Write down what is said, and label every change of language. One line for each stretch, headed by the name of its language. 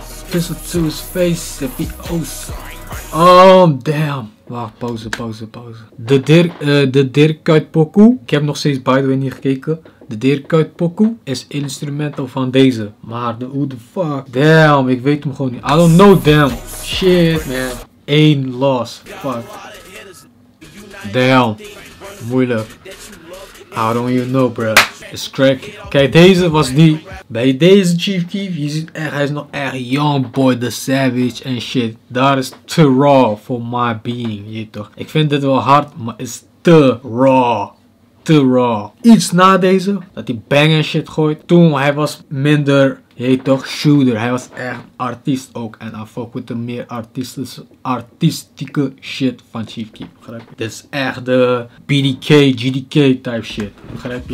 English: Pistol to his face, the be oh song. Oh damn.
Dutch: Wacht, pauze. De Dirk Kuyt pokoe. Ik heb nog steeds
English: by the way
Dutch: niet gekeken. De Dirk Kuyt pokoe is instrumental van deze. Maar de
English: who the fuck.
Dutch: Damn, ik weet hem gewoon niet.
English: I don't know them. Shit man. 1 loss. Fuck. Damn. Moeilijk. I don't even know bro. It's crack.
Dutch: Kijk deze was die. Bij deze Chief Keef. Je ziet echt, hij is nog echt
English: young boy. The savage en shit. That is too raw for my being.
Dutch: Je toch. Ik vind dit wel hard. Maar is te raw. Te raw. Iets na deze, dat hij bang en shit gooit. Toen hij was minder, heet toch, shooter. Hij was echt artiest ook. En dan fuck met de meer artistieke shit van Chief Keef, begrijp je? Dit is echt de BDK, GDK type shit, begrijp je?